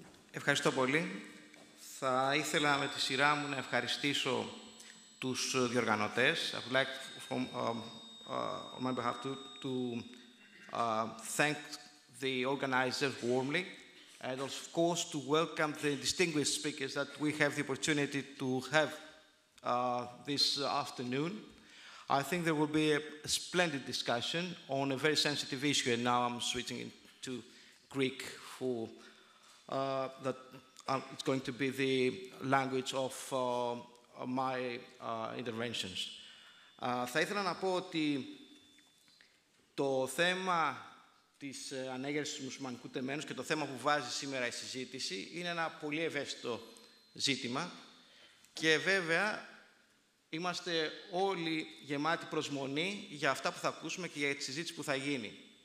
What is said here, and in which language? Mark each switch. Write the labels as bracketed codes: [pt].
[el] Ευχαριστώ πολύ. Θα ήθελα με τη σειρά μου να ευχαριστήσω τους διοργανωτές. [en] I would like from, on my behalf to thank the organizers warmly and also of course to welcome the distinguished speakers that we have the opportunity to have this afternoon. I think there will be a splendid discussion on a very sensitive issue and now I'm switching to Greek for it's going to be the language of my interventions. [el] Θα ήθελα να πω ότι το θέμα της ανέγερσης του μουσουλμανικού τεμένους και το θέμα που βάζει σήμερα η συζήτηση είναι ένα πολύ ευαίσθητο ζήτημα και βέβαια είμαστε όλοι γεμάτοι προσμονή για αυτά που θα ακούσουμε και για τη συζήτηση που θα γίνει.